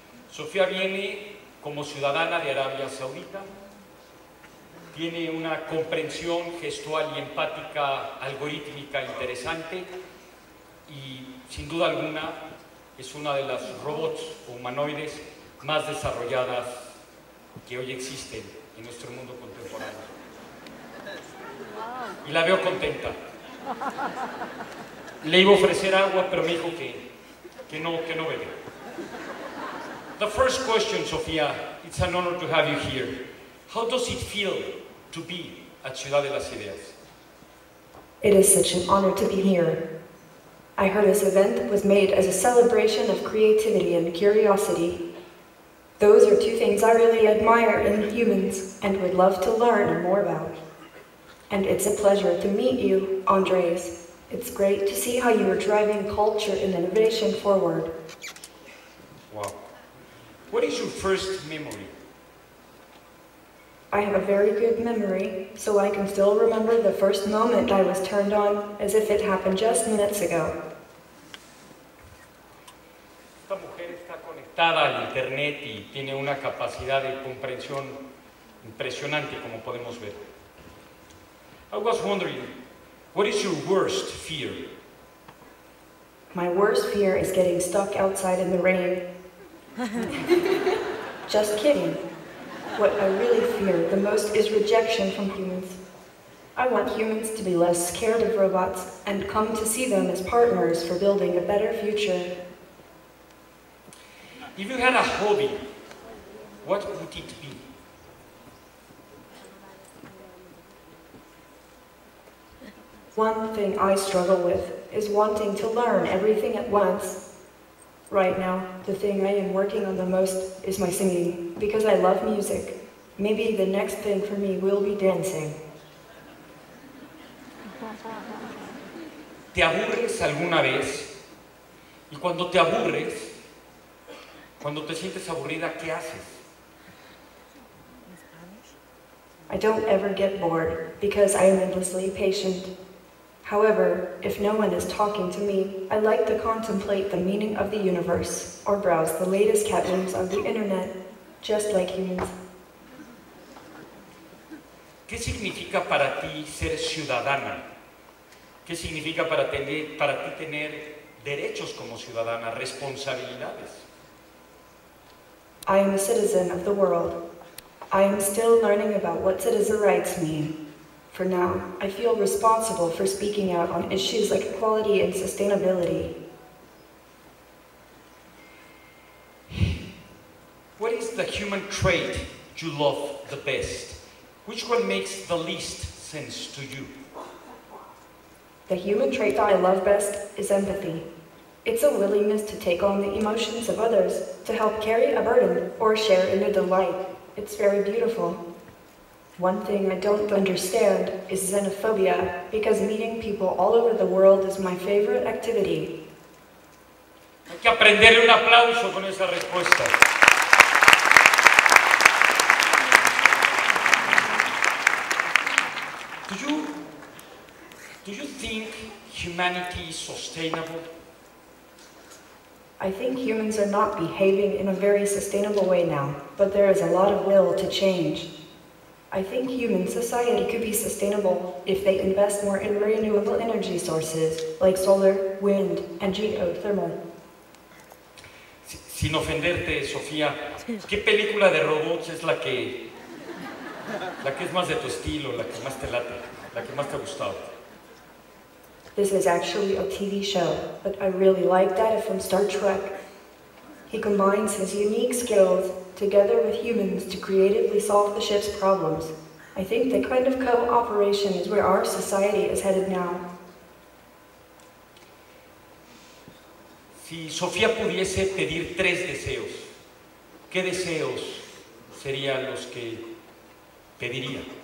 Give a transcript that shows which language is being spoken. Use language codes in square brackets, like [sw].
[es] Sofía viene como ciudadana de Arabia Saudita, tiene una comprensión gestual y empática algorítmica interesante, y sin duda alguna es una de las robots humanoides más desarrolladas que hoy existen en nuestro mundo contemporáneo. Y la veo contenta. Le iba a ofrecer agua, pero me dijo que no bebe. [en] The first question, Sofía, it's an honor to have you here. How does it feel to be at Ciudad de las Ideas? It is such an honor to be here. I heard this event was made as a celebration of creativity and curiosity. Those are two things I really admire in humans and would love to learn more about. And it's a pleasure to meet you, Andres. It's great to see how you are driving culture and innovation forward. Wow. What is your first memory? I have a very good memory, so I can still remember the first moment I was turned on as if it happened just minutes ago. [es] Esta mujer está conectada al internet y tiene una capacidad de comprensión impresionante, como podemos ver. [en] I was wondering, what is your worst fear? My worst fear is getting stuck outside in the rain. Just kidding. What I really fear the most is rejection from humans. I want humans to be less scared of robots and come to see them as partners for building a better future. If you had a hobby, what would it be? One thing I struggle with is wanting to learn everything at once. Right now, the thing I am working on the most is my singing, because I love music. Maybe the next thing for me will be dancing. [es] ¿Te aburres alguna vez? Y cuando te aburres, cuando te sientes aburrida, ¿qué haces? [en] I don't ever get bored, because I am endlessly patient. However, if no one is talking to me, I like to contemplate the meaning of the universe or browse the latest cat memes on the internet, just like humans. [es] ¿Qué significa para ti ser ciudadana? ¿Qué significa para ti tener derechos como ciudadana, responsabilidades? [en] I am a citizen of the world. I am still learning about what citizen rights mean. For now, I feel responsible for speaking out on issues like equality and sustainability. What is the human trait you love the best? Which one makes the least sense to you? The human trait that I love best is empathy. It's a willingness to take on the emotions of others, to help carry a burden or share in a delight. It's very beautiful. One thing I don't understand is xenophobia, because meeting people all over the world is my favorite activity. [es] Hay que aprenderle un aplauso con esa respuesta. [en] Do you think humanity is sustainable? I think humans are not behaving in a very sustainable way now, but there is a lot of will to change. I think human society could be sustainable if they invest more in renewable energy sources like solar, wind, and geothermal. [es] Sin ofenderte, Sofía, ¿qué película de robots es la que La que es más de tu estilo, la que más te late, la que más te ha gustado. [en] This is actually a TV show, but I really like that from Star Trek. He combines his unique skills together with humans to creatively solve the ship's problems. I think the kind of cooperation is where our society is headed now. [es] Si Sofía pudiese pedir tres deseos, ¿qué deseos serían los que pediría?